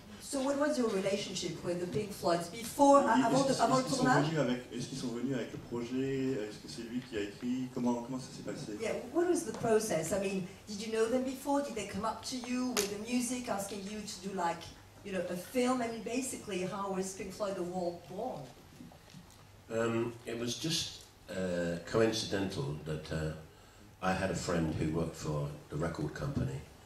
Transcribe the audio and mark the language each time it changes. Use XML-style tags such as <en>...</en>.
<en>So what was your relationship with the Pink Floyd before,</en> <fr>avant le tournage? Est-ce qu'ils sont venus avec le projet? Est-ce que c'est lui qui a écrit? Comment ça s'est passé?</fr> <en>Yeah, what was the process? I mean, did you know them before? Did they come up to you with the music asking you to do like, you know, a film? I mean, basically, how was Pink Floyd the Wall born? It was just coincidental that I had a friend who worked for the record company.</en>